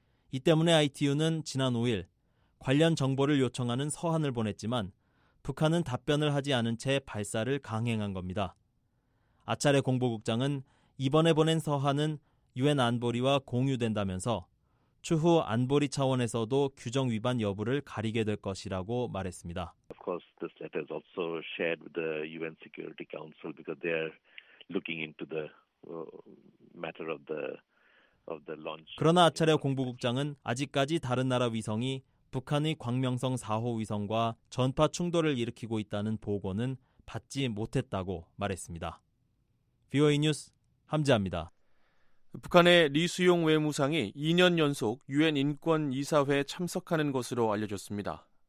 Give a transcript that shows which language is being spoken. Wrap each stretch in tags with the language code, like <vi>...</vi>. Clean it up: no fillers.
<ko>이 때문에 ITU는 지난 5일 관련 정보를 요청하는 서한을 보냈지만 북한은 답변을 하지 않은 채 발사를 강행한 겁니다. 아차레 공보국장은 이번에 보낸 서한은 유엔 안보리와 공유된다면서 추후 안보리 차원에서도 규정 위반 여부를 가리게 될 것이라고 말했습니다.</ko> <en>Of course, this letter is also shared with the UN Security Council because they are looking into the matter of the launch.</en> <ko>그러나 아차레 공보국장은 아직까지 다른 나라 위성이 북한의 광명성 4호 위성과 전파 충돌을 일으키고 있다는 보고는 받지 못했다고 말했습니다. VOA 뉴스 함지아입니다. 북한의 리수용 외무상이 2년 연속 유엔 인권 이사회에 참석하는 것으로 알려졌습니다.</ko>